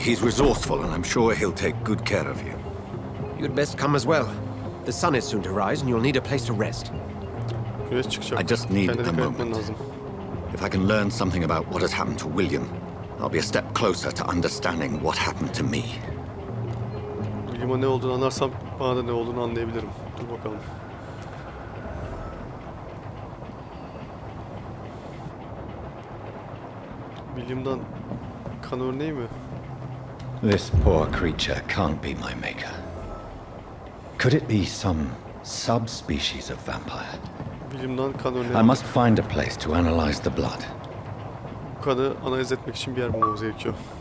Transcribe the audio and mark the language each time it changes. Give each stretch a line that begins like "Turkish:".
English: He's resourceful, and I'm sure he'll take good care of you. You'd best come as well. The sun is soon to rise, and you'll need a place to rest. I just need a moment. If I can learn something about what has happened to William, I'll be a step closer to understanding what happened to me.
Turkish: William'a ne olduğunu anlarsam, bana da ne olduğunu anlayabilirim. Dur bakalım. William'dan kan örneği mi?
English: This poor creature can't be my maker. Could it be some subspecies of vampire?
Turkish: William'dan kan örneği.
English: I must find a place to analyze the blood.
Turkish: Bu kanı analiz etmek için bir yer bulmamız gerekiyor.